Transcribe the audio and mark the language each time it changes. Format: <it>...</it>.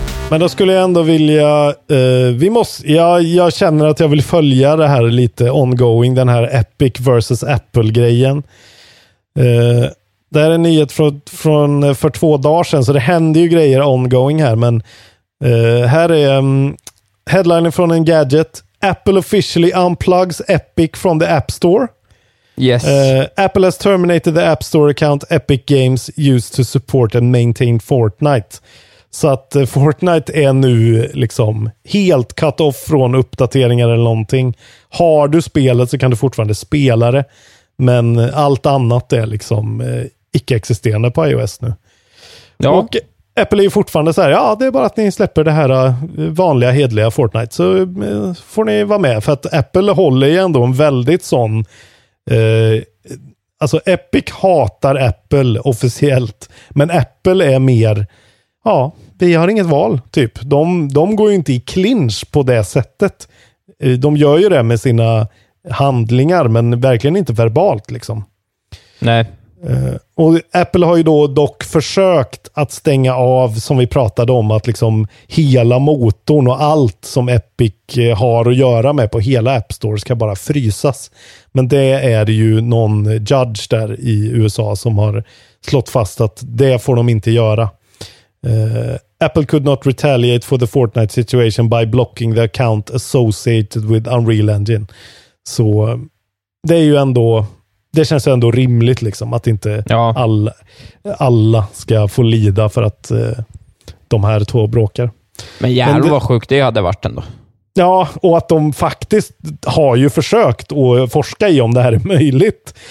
<sv>Men då skulle jag ändå vilja, jag känner att jag vill följa det här lite ongoing, den här Epic versus Apple-grejen. Det här är en nyhet från för 2 dagar sedan, så det händer ju grejer ongoing här, men här är headlinen från en gadget.</sv> <en>Apple officially unplugs Epic from the App Store. Yes. Apple has terminated the App Store account Epic Games used to support and maintain Fortnite.</en> <sv>Så att Fortnite är nu liksom helt cut off från uppdateringar eller någonting. Har du spelet så kan du fortfarande spela det. Men allt annat är liksom icke-existerande på iOS nu. Ja. Och Apple är ju fortfarande så här, ja, det är bara att ni släpper det här vanliga, hedliga Fortnite. Så får ni vara med. För att Apple håller ju ändå en väldigt sån... alltså Epic hatar Apple officiellt. Men Apple är mer... Ja, vi har inget val, typ. De går ju inte i clinch på det sättet. De gör ju det med sina handlingar, men verkligen inte verbalt, liksom. Nej. Och Apple har ju då dock försökt att stänga av, som vi pratade om, att liksom hela motorn och allt som Epic har att göra med på hela App Store ska bara frysas. Men det är ju någon judge där i USA som har slått fast att det får de inte göra.</sv> <en>Apple could not retaliate for the Fortnite situation by blocking the account associated with Unreal Engine.</en> <sv>Så det är ju ändå, det känns ju ändå rimligt liksom att inte alla ska få lida för att de här två bråkar. Men jävlar vad sjukt det hade varit ändå. Ja, och att de faktiskt har ju försökt att forska i om det här är möjligt.</sv>